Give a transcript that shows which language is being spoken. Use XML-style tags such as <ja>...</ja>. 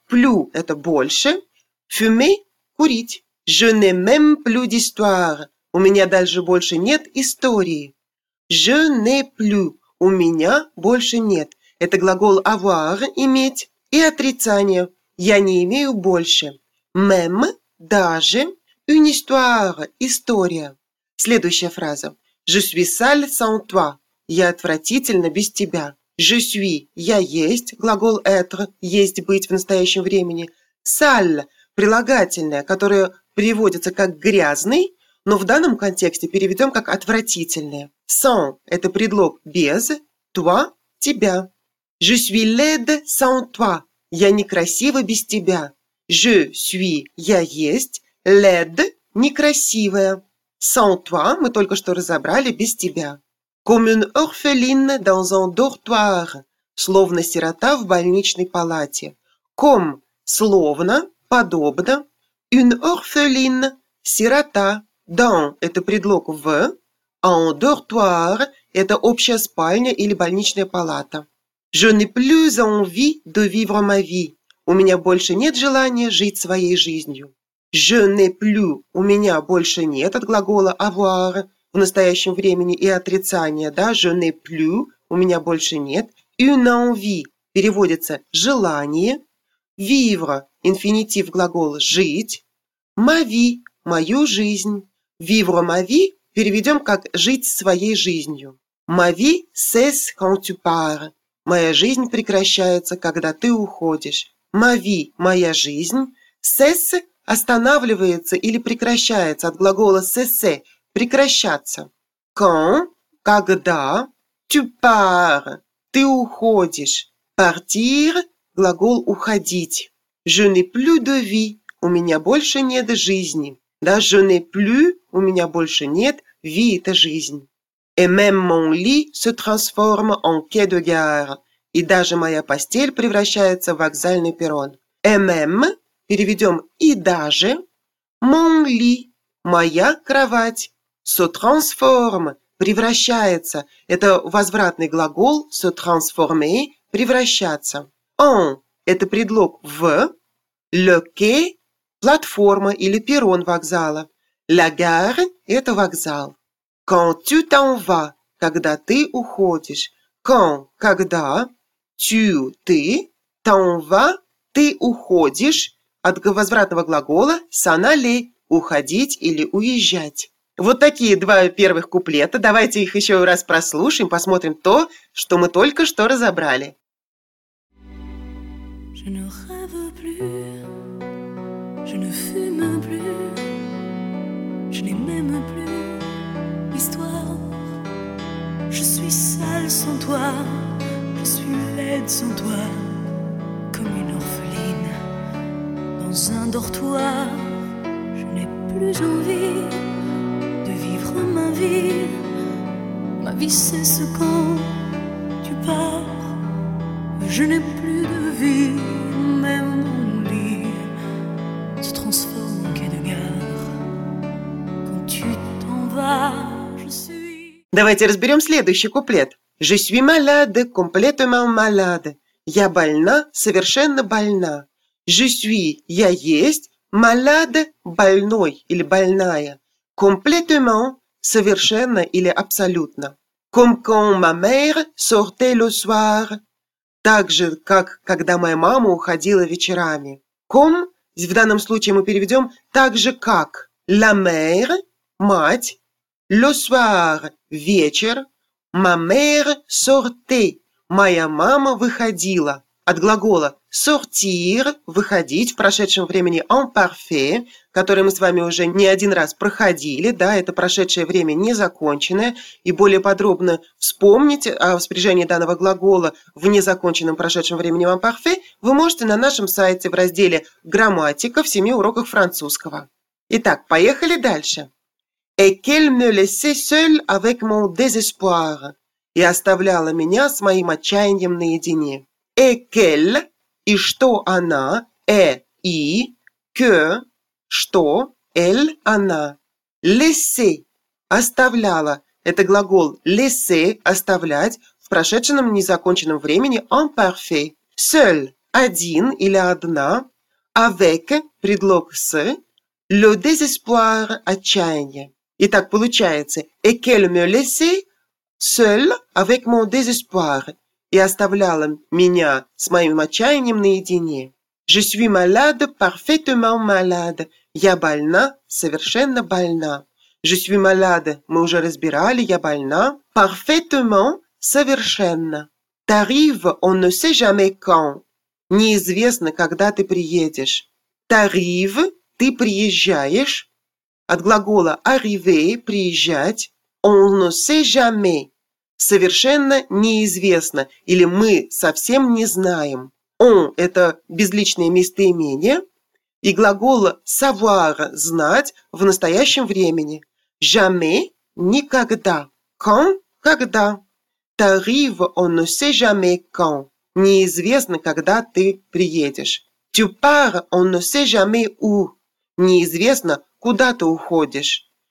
<ru>«Plus» – это «больше». «Fumer» – «курить».</ru> <fr>«Je ne m'aime plus d'histoire»</fr> <ru>– «У меня даже больше нет истории».</ru> <fr>«Je ne plus»</fr> <ru>– «У меня больше нет» – это глагол «avoir» – «иметь». И отрицание. Я не имею больше.</ru> <fr>Même,</fr> <ru>даже,</ru> <fr>une histoire,</fr> <ru>история. Следующая фраза.</ru> <fr>Je suis sale sans toi.</fr> <ru>Я отвратительно без тебя.</ru> <fr>Je suis,</fr> <ru>я есть, глагол être, есть быть в настоящем времени. Sale, прилагательное, которое переводится как грязный, но в данном контексте переведем как отвратительное. Sans, это предлог без, toi, тебя.</ru> <fr>Je suis laide sans toi.</fr> <ru>Я некрасива без тебя.</ru> <fr>Je suis</fr> <ru>– я есть. Laide – некрасивая.</ru> <fr>Sans toi</fr> <ru>– мы только что разобрали без тебя.</ru> <fr>Comme une orpheline dans un dortoir.</fr> <ru>Словно сирота в больничной палате.</ru> <fr>Comme</fr> <ru>– словно, подобно.</ru> <fr>Une orpheline –</fr> <ru>сирота. Dans – это предлог в.</ru> <fr>Un dortoir</fr> <ru>– это общая спальня или больничная палата.</ru> <fr>Je n'ai plus envie de vivre ma vie.</fr> <ru>У меня больше нет желания жить своей жизнью.</ru> <fr>Je n'ai plus.</fr> <ru>У меня больше нет от глагола</ru> <fr>avoir</fr> <ru>в настоящем времени и отрицания. Да?</ru> <fr>Je n'ai plus.</fr> <ru>У меня больше нет.</ru> <fr>Une envie.</fr> <ru>Переводится желание. Vivre. Инфинитив глагола жить.</ru> <fr>Ma vie.</fr> <ru>Мою жизнь.</ru> <fr>Vivre ma vie.</fr> <ru>Переведем как жить своей жизнью.</ru> <fr>Ma vie cesse quand tu pars.</fr> <ru>Моя жизнь прекращается, когда ты уходишь.</ru> <fr>Ma vie</fr> <ru>– моя жизнь. Cesse – останавливается или прекращается от глагола cesse – прекращаться. Quand – когда.</ru> <fr>Tu pars</fr> <ru>– ты уходишь. Partir – глагол уходить.</ru> <fr>Je n'ai plus de vie</fr> <ru>– у меня больше нет жизни. Да,</ru> <fr>je n'ai plus</fr> <ru>– у меня больше нет. Vie – это жизнь.</ru> <fr>Et même mon lit se transforme en quai de gare.</fr> <ru>И даже моя постель превращается в вокзальный перрон.</ru> <fr>Et même,</fr> <ru>переведем и даже,</ru> <fr>mon lit,</fr> <ru>моя кровать,</ru> <fr>se transforme,</fr> <ru>превращается. Это возвратный глагол se transformer, превращаться. En, это предлог в,</ru> <fr>le quai,</fr> <ru>платформа или перрон вокзала. La gare, это вокзал.</ru> <fr>Quand tu t'en vas,</fr> <ru>когда ты уходишь. Quand, когда. Tu, ты.</ru> <fr>T'en vas,</fr> <ru>ты уходишь. От возвратного глагола</ru> <fr>s'en aller,</fr> <ru>уходить или уезжать. Вот такие два первых куплета. Давайте их еще раз прослушаем, посмотрим то, что мы только что разобрали.</ru> <fr>Je ne rêve plus, je ne fume plus, je n'ai même plus. Histoire. Je suis sale sans toi, je suis laide sans toi, comme une orpheline dans un dortoir. Je n'ai plus envie de vivre ma vie. Ma vie cesse quand tu pars. Je n'ai plus de vie, même mon lit se transforme en quai de gare quand tu t'en vas.</fr> <ru>Давайте разберем следующий куплет.</ru> <fr>Je suis malade, complètement malade.</fr> <ru>Я больна, совершенно больна.</ru> <fr>Je suis,</fr> <ru>я есть, malade, больной или больная. Complètement, совершенно или абсолютно.</ru> <fr>Comme quand ma mère sortait le soir.</fr> <ru>Так же, как когда моя мама уходила вечерами. Comme, в данном случае мы переведем так же, как</ru> <fr>la mère,</fr> <ru>мать. Le soir – вечер.</ru> <fr>Ma mère sortait</fr> <ru>– моя мама выходила. От глагола sortir – выходить в прошедшем времени en parfait, который мы с вами уже не один раз проходили. Да, это прошедшее время незаконченное. И более подробно вспомнить о воспряжении данного глагола в незаконченном прошедшем времени en parfait вы можете на нашем сайте в разделе «Грамматика в 7 уроках французского». Итак, поехали дальше.</ru> <fr>Et qu'elle me laissait seule avec mon désespoir.</fr> <ru>и оставляла меня с моим отчаянием наедине. «Экель» и «что она» «э» и «кё» «что» «эль» «она». «Лесе» оставляла. Это глагол «лесе» оставлять в прошедшем незаконченном времени «en parfait». «Сёль» «один» или «одна». «Avec» предлог «с».</ru> <fr>«Le désespoir» отчаяние.</fr> <ru>И так получается «Экель</ru> <fr>me laissé seul avec mon désespoir»</fr> <ru>и оставляла меня с моим отчаянием наедине.</ru> <fr>«Je suis malade, parfaitement malade» –</fr> <ru>«я больна, совершенно больна».</ru> <fr>«Je suis malade»</fr> <ru>– мы уже разбирали, «я больна», «parfaitement» – «совершенно».</ru> <fr>«T'arrive, on ne sait jamais quand» –</fr> <ru>«неизвестно, когда ты приедешь».</ru> <fr>«T'arrive»</fr> <ru>– «ты приезжаешь». От глагола «arriver» – «приезжать».</ru> <fr>«On ne sait jamais»</fr> <ru>– «совершенно неизвестно» или «мы совсем не знаем». «On» – это безличное местоимение. И глагол «savoir» – «знать» в настоящем времени. «Jamais» – «никогда». «Quand» – «когда».</ru> <fr>«T'arrive, on ne sait jamais quand» –</fr> <ru>«неизвестно, когда ты приедешь».</ru> <fr>«Tu pars, on ne sait jamais où» –</fr> <ru>«неизвестно, куда ты уходишь».</ru>